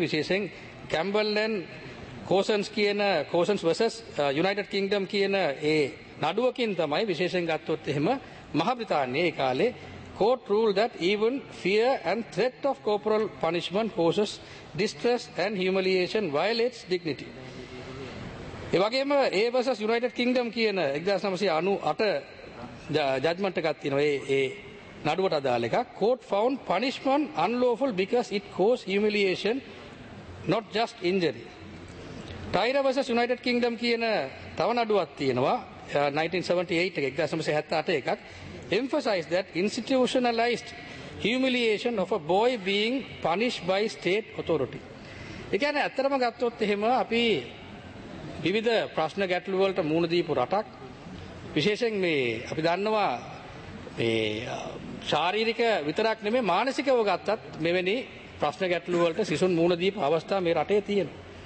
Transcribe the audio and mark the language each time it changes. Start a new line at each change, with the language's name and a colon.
Sinhala: විශේෂයෙන් කැම්බල්ලෙන් කෝසන්ස් කියන කෝසන්ස් versus united කිංඩම් කියන ඒ නඩුවකින් තමයි විශේෂයෙන් ගත්තොත් එහෙම මහා බ්‍රිතාන්‍යයේ ඒ කාලේ
English: court ruled that even fear and threat of corporal punishment causes distress and humiliation violates dignity.
Sinhala: ඒ වගේම A versus United Kingdom කියන 1998 judgment එකක් තියෙනවා ඒ නඩුවට අදාළ එකක්.
English: Court found punishment unlawful because it caused humiliation, not just injury.
Sinhala: Tyra versus United Kingdom කියන තව නඩුවක් තියෙනවා 1978 එක 1978 එකක්.
English: Emphasize that institutionalized humiliation of a boy being punished by state authority.
Sinhala: ඒ කියන්නේ ඇත්තටම ගත්තොත් එහෙම අපි විවිධ ප්‍රශ්න ගැටළු වලට මුහුණ දීපු රටක්. විශේෂයෙන් මේ අපි දන්නවා මේ ශාරීරික විතරක් නෙමෙයි මානසිකව ගත්තත් මෙවැනි ප්‍රශ්න ගැටළු වලට සිසුන් මුහුණ දීපු අවස්ථා මේ රටේ තියෙනවා.